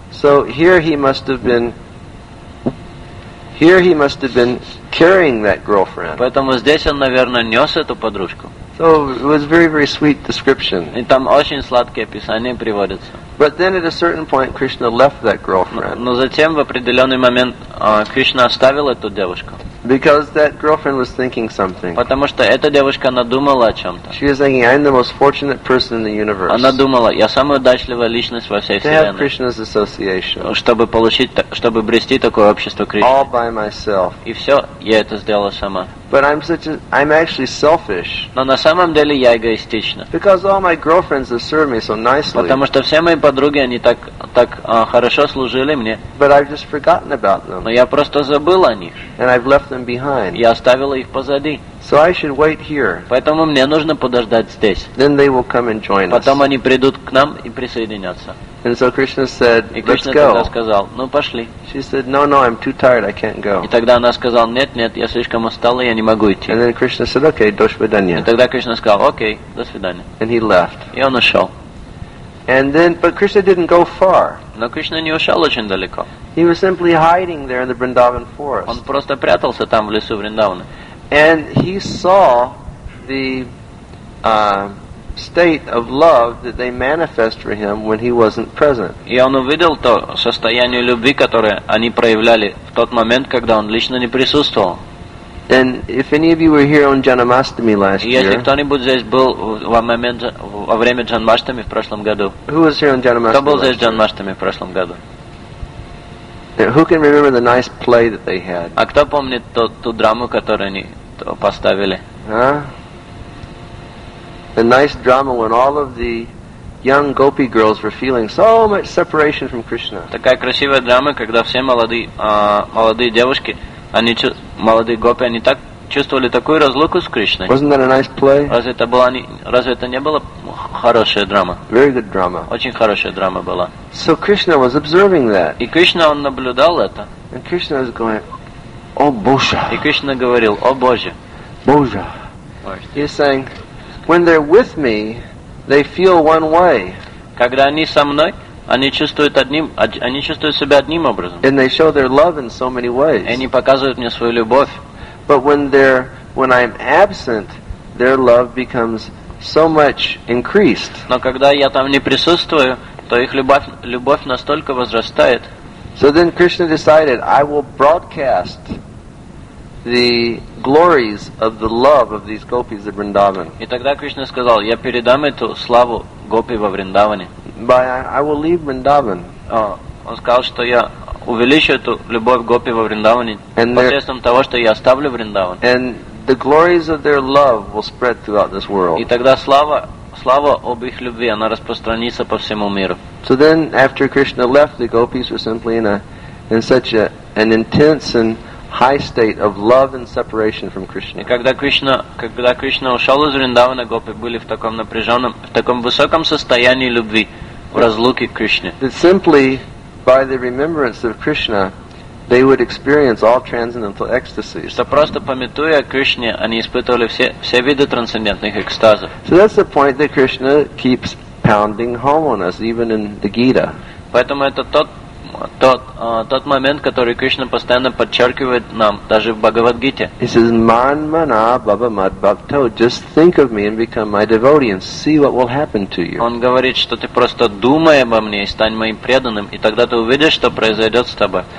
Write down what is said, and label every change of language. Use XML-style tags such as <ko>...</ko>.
<en>So here he must have been. Here he must have been carrying that girlfriend.</en> <ru>Поэтому здесь он, наверное, нёс эту подружку.</ru> <en>So it was very, very sweet description.</en> <ru>И там очень сладкие описания приводятся.</ru> <en>But then at a certain point Krishna left that girlfriend.</en> <ru>Но затем в определённый момент Кришна оставил эту девушку.</ru> <en>Because that girlfriend was thinking something.</en> <ru>Потому что эта девушка надумала о чём-то.</ru> <en>She was thinking, I'm the most fortunate person in the universe.</en> <ru>Она думала, я самая удачливая личность во всей вселенной.</ru> <en>To have Krishna's association.</en> <ru>Чтобы обрести такое общество Кришны.</ru> <en>All by myself.</en> <ru>И всё, я это сделала сама.</ru> <en>But I'm actually selfish.</en> <ru>Но на самом деле я эгоистична.</ru> <en>Because all my girlfriends have served me so nicely.</en> <ru>Потому что все мои подруги они так хорошо служили мне.</ru> <en>But I've just forgotten about them.</en> <ru>Но я просто забыл о них.</ru> <en>And I've left them behind.</en> <ru>Я оставила их позади.</ru> <en>So I should wait here.</en> <ru>Поэтому мне нужно подождать здесь.</ru> <en>Then they will come and join us.</en> <ru>Потом они придут к нам и присоединятся.</ru> <en>And so Krishna said, "Let's go."</en> <ru>Тогда сказал, ну пошли.</ru> <en>She said, "No, no, I'm too tired. I can't go."</en> <ru>И тогда она сказала, нет, я слишком устала, я не могу идти.</ru> <en>And then Krishna said, "Okay,</en> <ru>до свидания." И тогда Кришна сказал, окей, до свидания.</ru> <en>And he left.</en> <ru>И он ушел.</ru> <en>And then, but Krishna didn't go far.</en> <ru>Но Кришна не ушел очень далеко.</ru> <en>He was simply hiding there in the Vrindavan forest.</en> <ru>Он просто прятался там в лесу Вриндавана.</ru> <en>And he saw the state of love that they manifest for him when he wasn't present.</en> <ru>И он увидел то состояние любви, которое они проявляли в тот момент, когда он лично не присутствовал.</ru> <en>And if any of you were here on Janmashtami last year,</en> <ru>если кто-нибудь здесь был во время Джанмаштами в прошлом году,</ru> <en>who was here on Janmashtami?</en> <ru>Кто был здесь Джанмаштами в прошлом году?</ru> <en>Who can remember the nice play that they had?</en> <ru>А кто помнит ту драму, которую они поставили?</ru> <en>The nice drama when all of the young gopi girls were feeling so much separation from Krishna.</en> <ru>Такая красивая драма, когда все молодые девушки, они молодые гопи, они так чувствовали такую разлуку с Кришной.</ru> <en>Wasn't that a nice play?</en> <ru>Разве это не была хорошая драма?</ru> <en>Very good drama.</en> <ru>Очень хорошая драма была.</ru> <en>So Krishna was observing that.</en> <ru>И Кришна он наблюдал это.</ru> <en>And Krishna was going,</en> <ru>"О Боже!" И Кришна говорил, "О Боже!" Боже.</ru> <en>He's saying, when they're with me, they feel one way.</en> <ru>Когда они со мной, они чувствуют себя одним образом.</ru> <en>And they show their love in so many ways.</en> <ru>И они показывают мне свою любовь.</ru> <en>But when I'm absent, their love becomes so much increased.</en> <ru>Но когда я там не присутствую, то их любовь настолько возрастает.</ru> <en>So then Krishna decided, I will broadcast the glories of the love of these gopis of Vrindavan.</en> <ru>И тогда Кришна сказал, я передам эту славу гопи во Вриндаване.</ru> <en>But I will leave Vrindavan.</en> <ru>Он сказал, что я увеличу эту любовь гопи во Вриндаване посредством того, что я оставлю Вриндаван.</ru> <en>And the glories of their love will spread throughout this world.</en> <ru>И тогда слава слава об их любви, она распространится по всему миру.</ru> <en>So then, after Krishna left, the gopis were simply in such an intense and high state of love and separation from Krishna.</en> <ru>Когда Кришна ушел из Вриндавана, гопи были в таком напряженном, в таком высоком состоянии любви, в разлуке к Кришне.</ru> <en>That simply by the remembrance of Krishna, they would experience all transcendental ecstasies.</en> <ru>Что просто памятуя о Кришне, они испытывали все виды трансцендентных экстазов.</ru> <en>So that's the point that Krishna keeps pounding home on us, even in the Gita.</en> <ru>Поэтому это тот момент, который Кришна постоянно подчеркивает нам, даже в Бхагавад-гите.</ru> <en>He says,</en> <sa>"Man mana baba mad bhakto,</sa> <en>just think of me and become my devotee and see what will happen to you."</en> <ru>Он говорит, что ты просто думай обо мне и стань моим преданным, и тогда ты увидишь, что произойдет с тобой.</ru>